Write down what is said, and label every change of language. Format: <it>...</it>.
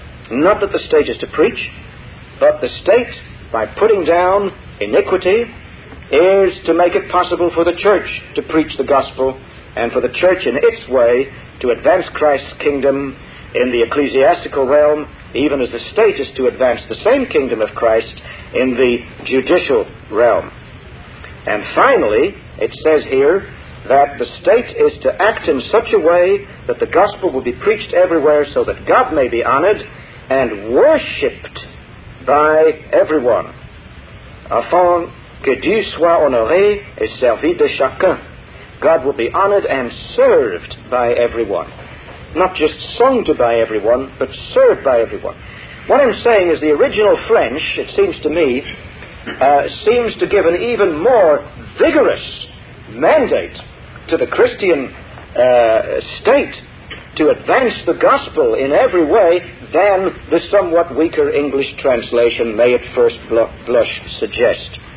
<en>Not that the state is to preach, but the state, by putting down iniquity, is to make it possible for the church to preach the gospel, and for the church in its way to advance Christ's kingdom in the ecclesiastical realm, even as the state is to advance the same kingdom of Christ in the judicial realm. And finally, it says here that the state is to act in such a way that the gospel will be preached everywhere so that God may be honored and worshipped by everyone.</en> <fr>Afin que Dieu soit honoré et servi de chacun.</fr> <en>God will be honored and served by everyone. Not just sung to by everyone, but served by everyone. What I'm saying is the original French, it seems to me, seems to give an even more vigorous mandate to the Christian state to advance the gospel in every way than the somewhat weaker English translation may at first blush suggest.</en>